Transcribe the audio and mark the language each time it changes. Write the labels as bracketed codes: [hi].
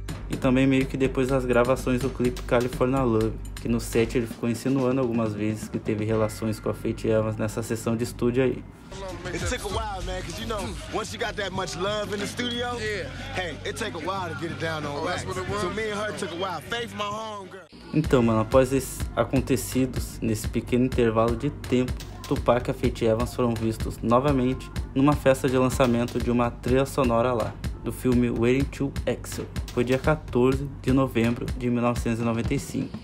[pt] E também meio que depois das gravações do clipe California Love, que no set ele ficou insinuando algumas vezes que teve relações com a Faith Evans nessa sessão de estúdio aí. [en] It took a while, man, because you know, once you got that much love in the studio, yeah. Hey, it took a while to get it down on wax. So me and her took a while. Faith, my home girl. [pt] Então, mano, após esses acontecidos, nesse pequeno intervalo de tempo, Tupac e a Faith Evans foram vistos novamente numa festa de lançamento de uma trilha sonora lá, do filme Waiting to Exhale. Foi dia 14 de novembro de 1995.